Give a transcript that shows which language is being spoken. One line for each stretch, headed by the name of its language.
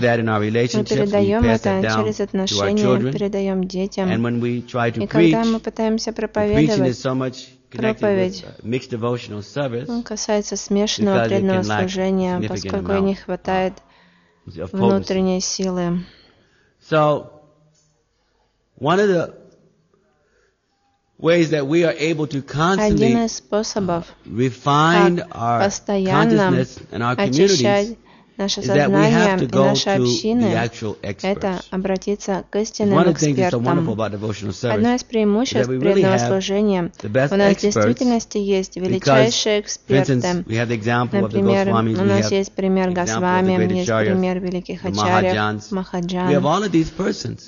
Russian: Мы передаем это через отношения, передаем детям. И когда мы пытаемся проповедовать, проповедь касается смешанного преданного служения, поскольку не хватает внутренней силы.
English: So, one of the ways that we are able to constantly refine our consciousness and our communities
Russian: наше сознание и наши общины – это обратиться к истинным экспертам. Одно из преимуществ преданного служения – у нас в действительности есть величайшие эксперты. Например, у нас есть пример Госвами, есть пример великих ачарьев, махаджан.